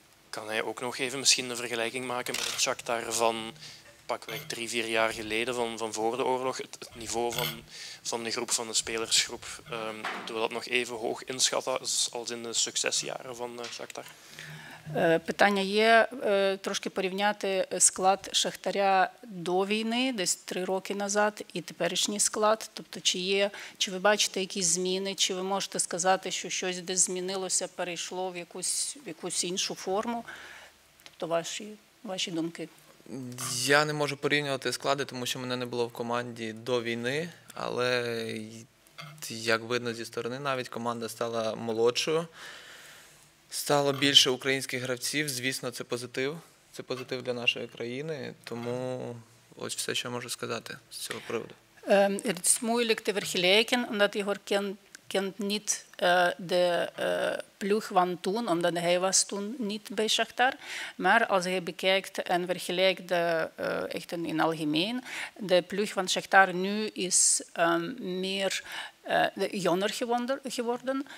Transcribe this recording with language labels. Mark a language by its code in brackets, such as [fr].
[nl] Kan hij ook nog even misschien een vergelijking maken met het Shakhtar van pakweg 3-4 jaar geleden van voor de oorlog, het niveau van de groep, van de spelersgroep, doen we dat nog even hoog inschatten als in de succesjaren van Shakhtar? [uk] Питання є трошки порівняти склад Шахтаря до війни, десь 3 роки назад, і теперішній склад. Тобто, чи ви бачите якісь зміни, чи ви можете сказати, що щось десь змінилося, перейшло в якусь іншу форму? Тобто, ваші думки? Я не можу порівнювати склади, тому що мене не було в команді до війни, але, як видно зі сторони, навіть команда стала молодшою, стало більше українських гравців, звісно, це позитив для нашої країни, тому ось все, що я можу сказати з цього приводу. Це [nl] moeilijk te vergelijken, omdat Igor kent niet de ploeg van toen, omdat hij was toen niet bij Shakhtar. Maar als hij bekijkt en vergelijkt echt in algemeen, de ploeg van Shakhtar nu is meer jonger geworden.